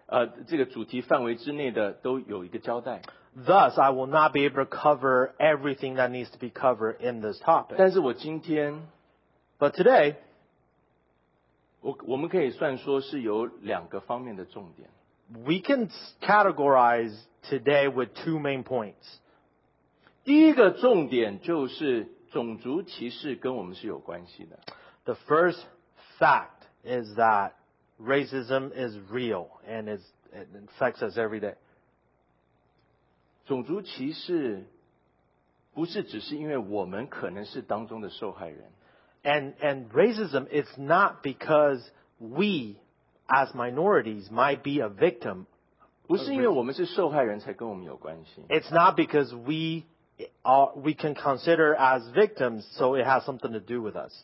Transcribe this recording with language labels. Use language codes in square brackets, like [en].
[zh] 所以今天我不能把所有的一切这个主题范围之内的都有一个交代。 [en] Thus, I will not be able to cover everything that needs to be covered in this topic. [zh] 但是我今天, [en] But today, [zh] 我们可以算说是有两个方面的重点。 [en] We can categorize today with two main points. [zh] 第一个重点就是种族歧视跟我们是有关系的。 [en] The first fact is that racism is real and it affects us every day. [zh] 种族歧视不是只是因为我们可能是当中的受害人。 [en] And racism is not because we as minorities might be a victim. [zh] 不是因为我们是受害人才跟我们有关系。 [en] It's not because we can consider as victims, so it has something to do with us.